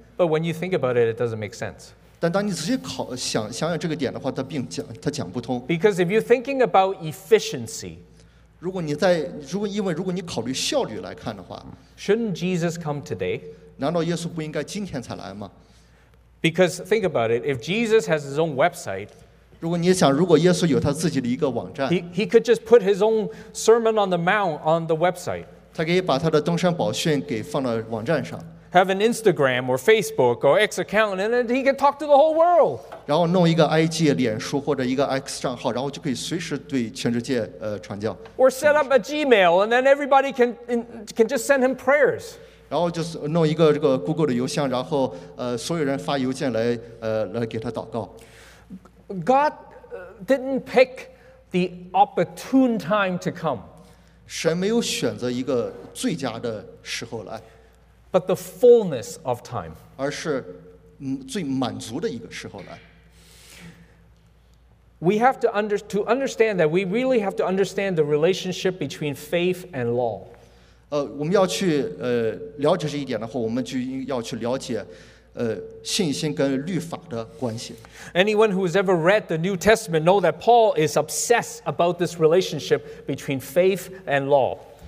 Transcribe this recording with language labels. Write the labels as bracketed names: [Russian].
[English] But when you think about it, it doesn't make sense. [Chinese] 但当你仔细想想这个点的话，它讲不通。 [English] Because if you're thinking about efficiency, [Chinese] 如果你考虑效率来看的话， [English] shouldn't Jesus come today? [Chinese] 难道耶稣不应该今天才来吗？ [English] Because think about it, if Jesus has his own website, [Chinese] 如果你想，如果耶稣有他自己的一个网站， [English] he could just put his own Sermon on the Mount on the website. [Chinese] 他可以把他的登山宝训给放到网站上。 [English] Have an Instagram or Facebook or X account, and then he can talk to the whole world. [Chinese] 然后弄一个 IG 脸书或者一个 X 账号，然后就可以随时对全世界传教。 [English] Or set up a Gmail, and then everybody can just send him prayers. [Chinese] 然后就是弄一个这个 Google 的邮箱，然后所有人发邮件来给他祷告。 [English] God didn't pick the opportune time to come. [Chinese] 神没有选择一个最佳的时候来。 [English] But the fullness of time. [Chinese] 而是最满足的一个时候来。 [English] We have to understand that we really have to understand the relationship between faith and law. [Chinese] 我们要去了解这一点的话，我们就要去了解信心跟律法的关系。 [English] Anyone who has ever read the New Testament know that Paul is obsessed about this relationship between faith and law.